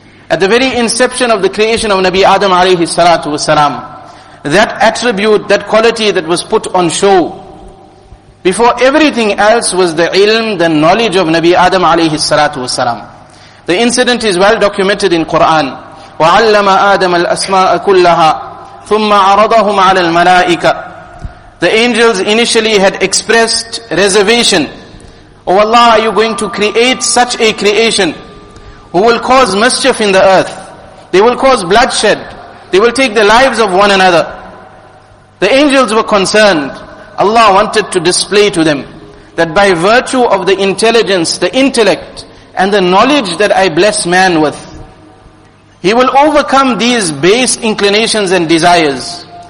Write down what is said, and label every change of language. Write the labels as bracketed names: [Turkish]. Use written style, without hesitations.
[English] At the very inception of the creation of Nabi Adam alayhi salatu wasalam, that attribute, that quality that was put on show, before everything else was the ilm, the knowledge of Nabi Adam alayhi salatu wasalam. The incident is well documented in Quran. [Arabic] وَعَلَّمَ آدَمَ الْأَسْمَاءَ كُلَّهَا ثُمَّ عَرَضَهُمْ عَلَى الْمَلَائِكَةِ [English] The angels initially had expressed reservation. Oh Allah, are you going to create such a creation who will cause mischief in the earth? They will cause bloodshed. They will take the lives of one another. The angels were concerned. Allah wanted to display to them that by virtue of the intelligence, the intellect, and the knowledge that I bless man with, he will overcome these base inclinations and desires.